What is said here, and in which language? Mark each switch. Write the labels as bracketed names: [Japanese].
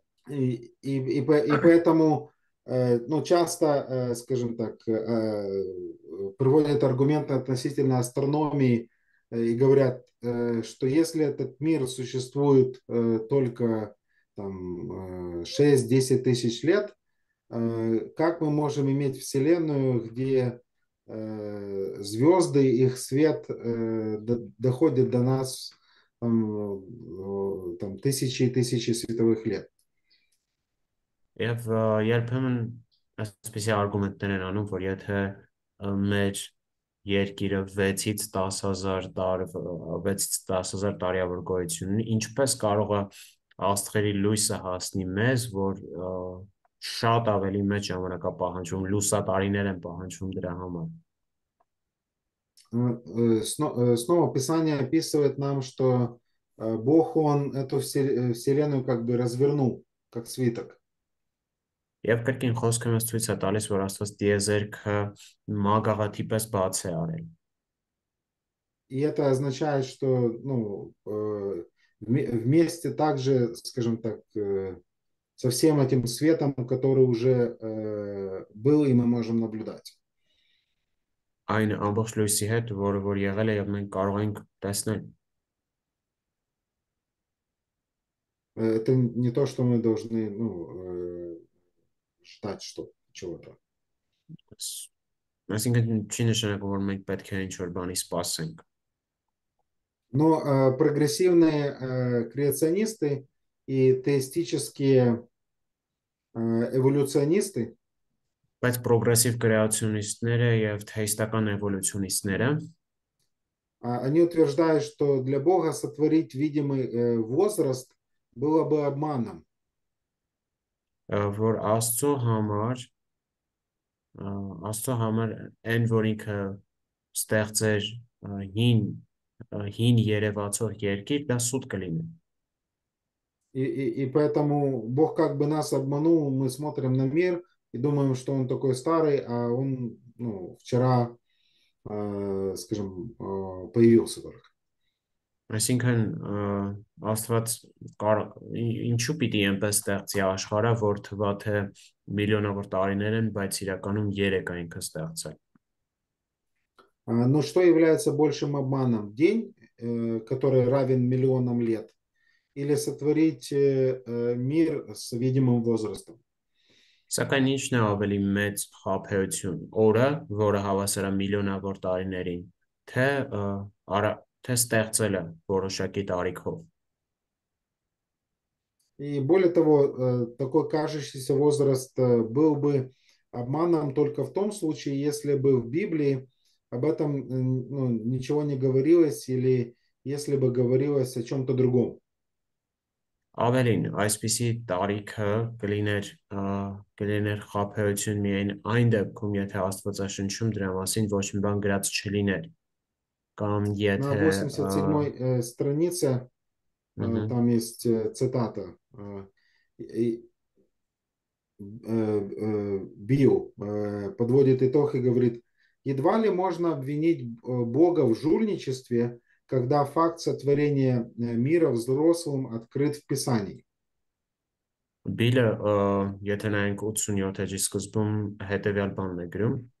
[Russian] И поэтому, ну, часто, скажем так, приводят аргументы относительно астрономии и говорят, что если этот мир существует только там 6-10 тысяч лет, как мы можем иметь Вселенную, где звезды, их свет доходит до нас там тысячи и тысячи световых лет? [Armenian] Եվ երբեմն այսպես արգումենտներ են անում, որ եթե մեր երկիրը 6-ից 10,000 տարիավոր գոյություն ունի, ինչպես կարող է աստղերի լույսը հասնի մեզ, որ շատ ավելի մեծ ժամանակ է պահանջվում, լուսատարիներ են պահանջվում դրա համար։ [Russian] Снова Писание описывает нам, что Бог, Он эту Вселенную как бы развернул, как свиток. [Armenian] Եվ կրկին խոսքը մեզ ցույց է տալիս, որ Աստված տիեզերքը մագաղաթի պես բաց է արել։ [Russian] И это означает, что, ну, вместе также, скажем так, со всем этим светом, который уже был и мы можем наблюдать. [Armenian] Այն ամբողջ լույսի հետ, որը որ եղել է եւ մենք կարող ենք տեսնել։ [Russian] Это не то, что мы должны, ну, ждать что чего-то. [Armenian] Մենք ինքն չի նշանակում, որ մենք պետք է ինչ-որ բանի սպասենք։ [Russian] Но прогрессивные креационисты и теистические эволюционисты. [Armenian] Բայց պրոգրեսիվ կրեացիոնիստները եւ թեիստական էվոլյուցիոնիստները. [Russian] Они утверждают, что для Бога сотворить видимый возраст было бы обманом. [Armenian] Որ Աստծո համար այն, որ ինքը ստեղծեր հին երևացող երկիր, դա սուտ կլինի։ [Russian] И поэтому Бог как бы нас обманул, мы смотрим на мир и думаем, что он такой старый, а он, ну, вчера, скажем, появился только. [Armenian] Այսինքն Աստված ինչու պիտի այնպես ստեղծի աշխարհը, որ թվա թե միլիոնավոր տարիներ են, բայց իրականում երեք է ինքը ստեղծել։ [Russian] Но что является большим обманом? День, который равен миллионам лет? Или сотворить мир с видимым возрастом? [Armenian] Սակայն ինչն է ավելի մեծ խաբեություն, օրը, որը հավասարա միլիոնավոր տարիներին, թե արա թե ստեղծելը որոշակի տարիքով։ [Russian] И более того, такой кажущийся возраст был бы обманом только в том случае, если бы в Библии об этом ничего не говорилось, или если бы говорилось о чем-то другом. [Armenian] Ավելին, այսպիսի տարիքը կլիներ խաբեություն միայն այն դեպքում, եթե Աստվածաշնչում դրա մասին ոչ մի բան գրած չլիներ, կամ [Russian] На [Armenian] եթե [Russian] 87-й странице там есть цитата Билл подводит итог и говорит: едва ли можно обвинить Бога в жульничестве, когда факт сотворения мира взрослым открыт в Писании. [Armenian] Բիլը, եթե նայենք 87-ի սկզբում հետևյալ բանն է գրում.